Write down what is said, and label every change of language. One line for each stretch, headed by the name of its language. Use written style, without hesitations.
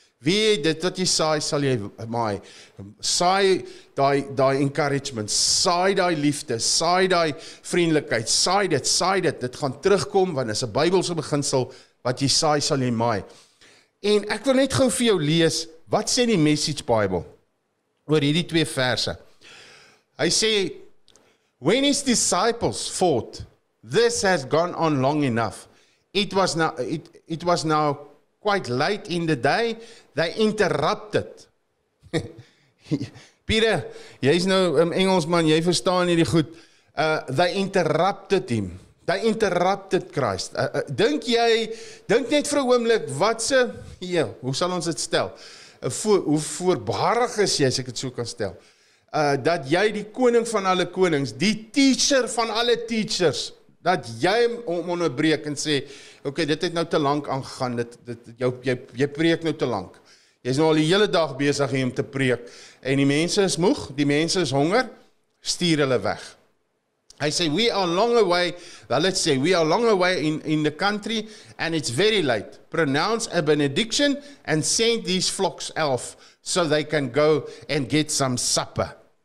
Afrikaans: Wie dit wat jy saai, sal jy maai. Saai die encouragement, saai die liefde, saai die vriendelijkheid, saai dit. Dit gaan terugkom, want is 'n Bybelse beginsel, wat jy saai, sal jy maai. En ek wil net gauw vir jou lees, wat sê die Message Bible, oor hierdie twee verse? Hy sê,
English: when his disciples thought, this has gone on long enough, it was now quite late in the day, they interrupted.
Afrikaans: Peter, jy is nou in Engels man, jy verstaan hierdie goed,
English: they interrupted him, they interrupted Christ.
Afrikaans: Dink net vir 'n oomblik, hoe sal ons dit stel? Hoe voorbarig is jy, as ek het so kan stel? Dat jy die koning van alle konings, die teacher van alle teachers, dat jy hom onderbreek en sê, okay, dit het nou te lank aangegaan, jy preek nou te lank. Jy is nou al die hele dag besig om te preek, en die mense is moeg, die mense is honger, stuur hulle weg. Hy sê,
English: we are long away, we are long away in the country, and it's very late. Pronounce a benediction and send these flocks off, so they can go and get some supper.